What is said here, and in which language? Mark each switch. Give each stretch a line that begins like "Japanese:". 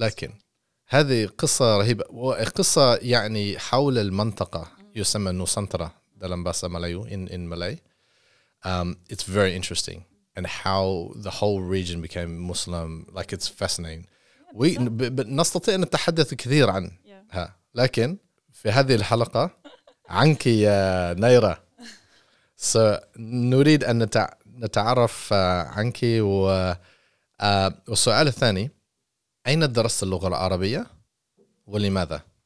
Arabic: لكن هذه قصة رهيبة وقصة يعني حول المنطقة يسمى نوسانترا دلم باسا ملايو
English: in Malay. It's very interesting and how the whole region became Muslim. Like it's fascinating. Yeah, we
Arabic: but نستطيع أن نتحدث كثير عنها.
English: Yeah.
Arabic: لكن في هذه الحلقة عنك يا نيرة. So, نريد أن نتعرف عنك والسؤال الثاني أين درست اللغة العربية ولماذا؟